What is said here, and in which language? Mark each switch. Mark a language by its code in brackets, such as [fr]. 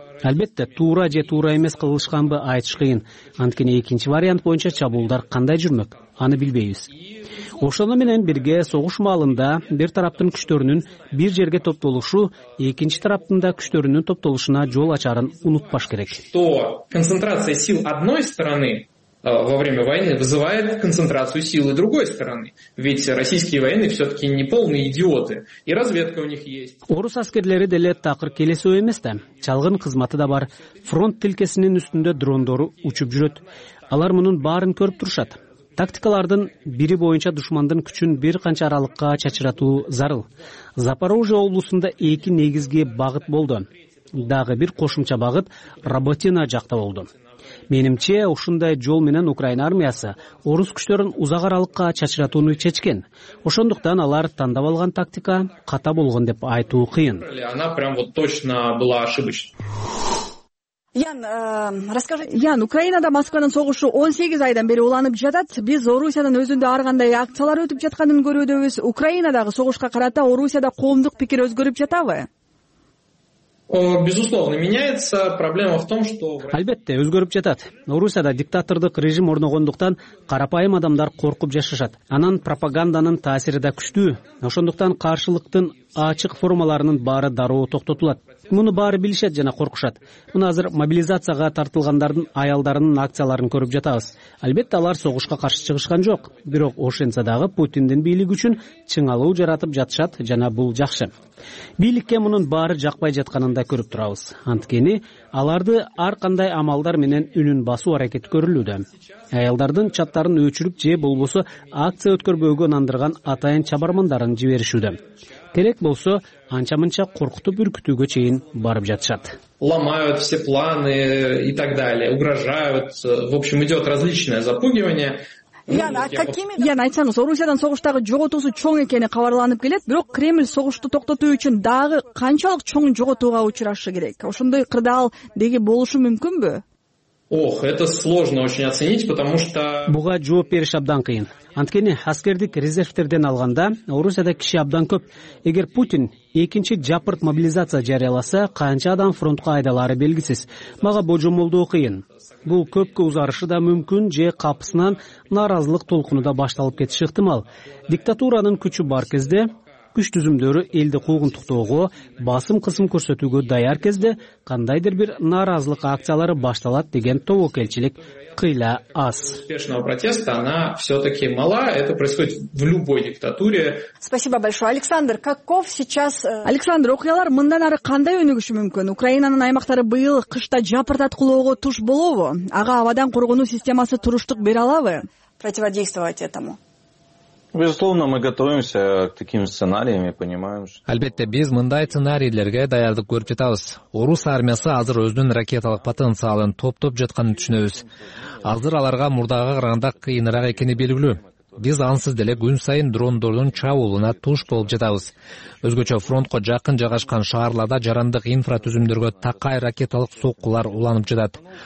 [ky] Албетте, туура же туура эмес кылышканбы айтыш кыйын. Анткени экинчи вариант боюнча чабуулдар кандай жүрмөк, аны билбейбиз. Ошону менен бирге согуш маалында бир тараптын күчтөрүнүн бир жерге топтолушу экинчи тараптын да күчтөрүнүн топтолушуна жол ачарын унутпаш керек. [ru] То концентрация сил одной стороны во время войны вызывает концентрацию силы другой стороны. Ведь российские военные все-таки не полные идиоты. И разведка у них есть. [ky] Орус аскерлери деле такыр келесөө эмес да. Чалгын кызматы да бар. Фронт тилкесинин үстүндө дрондору учуп жүрөт. Алар мунун баарын көрүп турушат. Тактикалардын бири боюнча душмандын күчүн бир канча аралыкка чачыратуу зарыл. Запорожье облусунда эки негизги багыт болду. дагы бир кошумча багыт Роботина жакта болду. Менимче ушундай жол менен Украина армиясы орус күчтөрүн узак аралыкка чачыратууну чечкен. Ошондуктан алар тандап алган тактика ката болгон деп айтуу кыйын. [ru] Она прям вот точно была ошибочна. [ky] Ян, Украинада Москванын согушу 18 айдан бери уланып жатат. Биз Орусиянын өзүндө ар кандай акциялар өтүп жатканын көрүүдөбүз. Украинадагы согушка карата Орусияда коомдук пикир өзгөрүп жатабы? [ru] Безусловно, меняется. Проблема в том, что... [ky] Албетте, өзгөрүп жатат. Орусияда диктатордук режим орногондуктан карапайым адамдар коркуп жашашат. Анан пропагандынын таасири да күчтүү. Ошондуктан каршылыктын ачык формаларынын баары дароо токтотулат. Муну баары билишет жана коркушат. Муну азыр мобилизацияга тартылгандардын аялдарынын акцияларын көрүп жатабыз. Албетте, алар согушка каршы чыгышкан жок. Бирок ошентсе дагы Путиндин бийлиги үчүн чыңалуу жаратып жатышат жана бул жакшы. Бийликке мунун баары жакпай жатканын да көрүп турабыз. Анткени аларды ар кандай амалдар менен үнүн басуу аракети көрүлүүдө. Аялдардын чаттарын өчүрүп же болбосо акция өткөрбөөгө нандырган атайын чабармандарын жиберишүүдө. Керек болсо, анча-мынча коркутуп үркүтүүгө чейин барып жатышат. [ru] Ломают все планы и так далее, угрожают. В общем, идет различное запугивание. [ky] Ян, айтсаңыз, Орусиядан согуштагы жоготуусу чоң экени кабарланып келет, бирок Кремль согушту токтотуу үчүн дагы канчалык чоң жоготууга учурашы керек? Ошондой кырдаал деги болушу мүмкүнбү? [ru] Ох, это сложно очень оценить, потому что... [ky] Буга жооп бериш абдан кыйын. Анткени аскердик резервтерден алганда Орусияда киши абдан көп. Эгер Путин экинчи жапырт мобилизация жарыяласа, канча адам фронтко айдалары белгисиз. Мага божомолдоо кыйын. Бул көпкө узарышы да мүмкүн же капсынан нааразылык толкуну да башталып кетиши ыктымал. Диктатуранын күчү бар кезде, күч түзүмдөрү элди куугунтуктоого, басым кысым көрсөтүүгө даяр кезде кандайдыр бир нааразылык акциялары башталат деген тобокелчилик кыйла аз. [ru] Успешного протеста она все-таки мала. Это происходит в любой диктатуре. Спасибо большое. Александр, каков сейчас... [ky] Александр, окуялар мындан ары кандай өнүгүшү мүмкүн? Украинанын аймактары быйыл кышта жапырт аткылоого туш болобу? Ага абадан коргонуу системасы туруштук бере алабы? [ru] Противодействовать этому. Безусловно, мы готовимся к таким сценариям и понимаем, что... [ky] Албетте, биз мындай сценарийлерге даярдык көрүп жатабыз. Орус армиясы азыр өзүнүн ракеталык потенциалын топтоп жатканын түшүнөбүз. Азыр аларга мурдагы караганда кыйыныраак экени белгилүү. Биз ансыз деле күн сайын дрондордун чабуулуна туш болуп жатабыз. Өзгөчө фронтко жакын жайгашкан шаарларда жарандык инфратүзүмдөргө такай ракеталык соккулар уланып жатат.